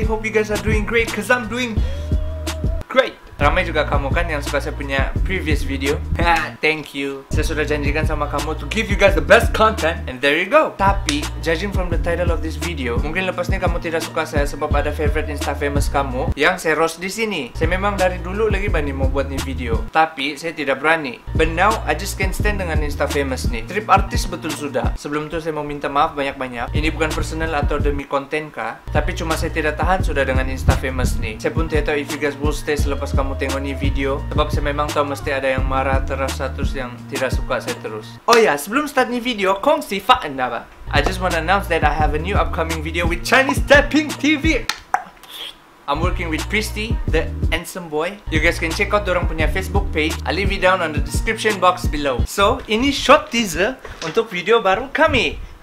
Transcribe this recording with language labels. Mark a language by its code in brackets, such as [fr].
[en] Hope you guys are doing great, cause I'm doing great. [ms] Ramai juga kamu kan yang suka saya punya [en] previous video. Thank you. [ms] Saya sudah janjikan sama kamu [en] to give you guys the best content, and there you go. [ms] Tapi, [en] judging from the title of this video, [ms] mungkin lepas ini kamu tidak suka saya sebab ada favorite Instafamous kamu yang saya roast di sini. Saya memang dari dulu lagi banding mau buat ni video, tapi saya tidak berani. [en] But now, I just can't stand [ms] dengan Instafamous ni. Trip artis betul sudah. Sebelum itu saya mau minta maaf banyak-banyak. Ini bukan personal atau demi konten kah? Tapi cuma saya tidak tahan sudah dengan Instafamous ni. Saya pun tidak tahu [en] if you guys will stay [ms] selepas kamu tengok ni video, sebab saya memang tahu mesti ada yang marah terus satu yang tidak suka saya terus. Oh ya, sebelum start ni video, kongsi faen apa? [en] I just want to announce that I have a new upcoming video with Chinese Tapping TV. I'm working with Priesty, the handsome boy. You guys can check out [ms] dorang punya [en] Facebook page. I'll leave it down on the description box below. [ms] So, ini [en] short teaser [ms] untuk video baru kami.